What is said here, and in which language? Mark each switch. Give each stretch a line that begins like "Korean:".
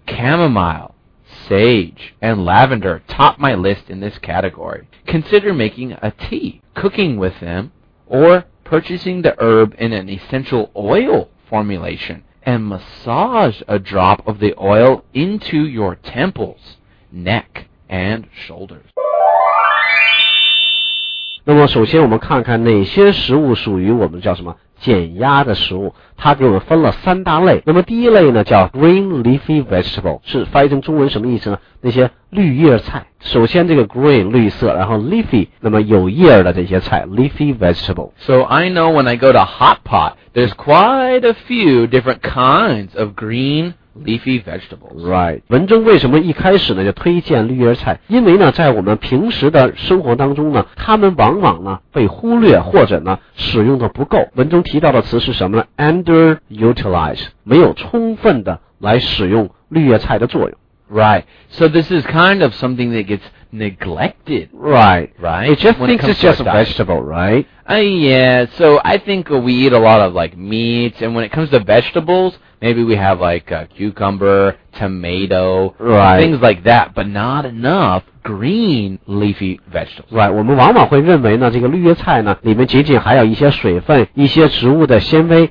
English: Chamomile, sage, and lavender top my list in this category. Consider making a tea, cooking with them, or purchasing the herb in an essential oil formulation, and massage a drop of the oil into your temples. neck and shoulders.
Chinese: 那么首先我们看看哪些食物属于我们叫什么减压的食物，它给我们分了三大类。那么第一类呢叫 green leafy vegetable， 是翻译成中文什么意思呢？那些绿叶菜。首先这个 green 绿色，然后 leafy 那么有叶的这些菜 leafy vegetable。
English: So I know when I go to hot pot there's quite a few different kinds of greenleafy vegetables. Right.
Chinese: 文中为什么一开始呢就推荐绿叶菜，因为呢在我们平时的生活当中呢它们往往呢被忽略或者呢使用的不够。文中提到的词是什么呢 ?underutilized. 没有充分的来使用绿叶菜的作用。
English: Right. So this is kind of something that gets neglected. Right. Right. It just thinks it's just a vegetable, right? Yeah. So I think we eat a lot of like meats and when it comes to vegetables,Maybe we have like a cucumber, tomato, right. things like that, but not enough green leafy vegetables.
Chinese: Right, 我们往往会认为呢，这个绿叶菜呢，里面仅仅含有一些水分，一些植物的纤维。